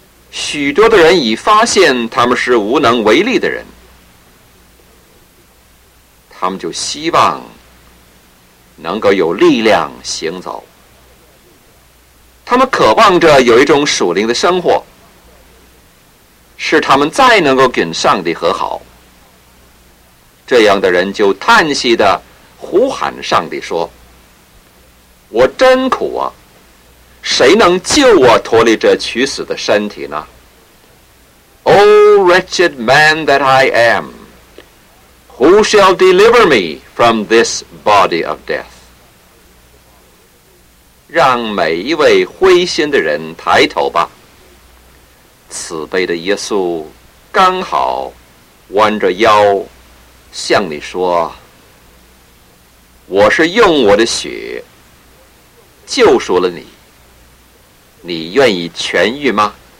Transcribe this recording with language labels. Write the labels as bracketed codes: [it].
[zh] 许多的人已发现他们是无能为力的人，他们就希望能够有力量行走，他们渴望着有一种属灵的生活，使他们再能够跟上帝和好。这样的人就叹息地呼喊上帝说：我真苦啊，谁能救我脱离这取死的身体呢？ [en] O wretched man that I am, who shall deliver me from this body of death? [zh] 让每一位灰心的人抬头吧，慈悲的耶稣刚好弯着腰向你说：我是用我的血救赎了你，你愿意痊愈吗？